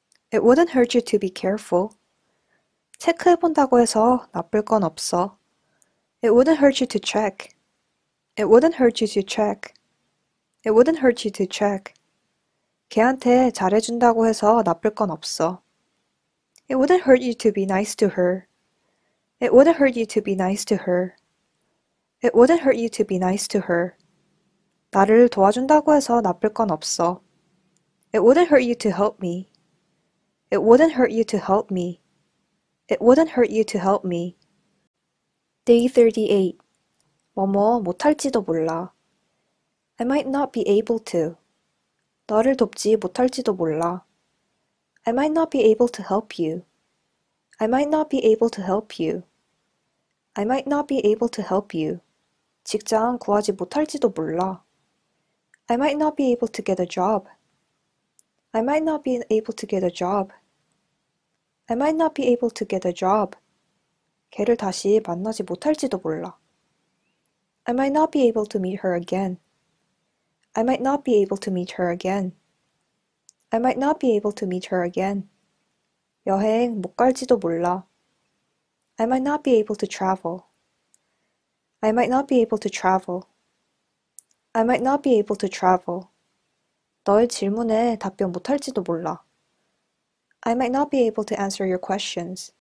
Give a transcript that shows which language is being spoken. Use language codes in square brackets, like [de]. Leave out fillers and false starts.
[en] It wouldn't hurt you to be careful. [ko] 체크해본다고 해서 나쁠 건 없어. [en] It wouldn't hurt you to check. It wouldn't hurt you to check. It wouldn't hurt you to check. [ko] 걔한테 잘해준다고 해서 나쁠 건 없어. [en] It wouldn't hurt you to be nice to her. It wouldn't hurt you to be nice to her. It wouldn't hurt you to be nice to her. [ko] 나를 도와준다고 해서 나쁠 건 없어. [en] It wouldn't hurt you to help me. It wouldn't hurt you to help me. It wouldn't hurt you to help me. Day 38. [ko] 뭐뭐 못할지도 몰라. [en] I might not be able to. [ko] 너를 돕지 못할지도 몰라. [en] I might not be able to help you. I might not be able to help you. I might not be able to help you. [ko] 직장 구하지 못할지도 몰라. [en] I might not be able to get a job. I might not be able to get a job. I might not be able to get a job. [ko] 걔를 다시 만나지 못할지도 몰라. [en] I might not be able to meet her again. I might not be able to meet her again. I might not be able to meet her again. [ko] 여행 못 갈지도 몰라. [en] I might not be able to travel. I might not be able to travel. I might not be able to travel. [ko] 너의 질문에 답변 못 할지도 몰라. [en] I might not be able to answer your questions.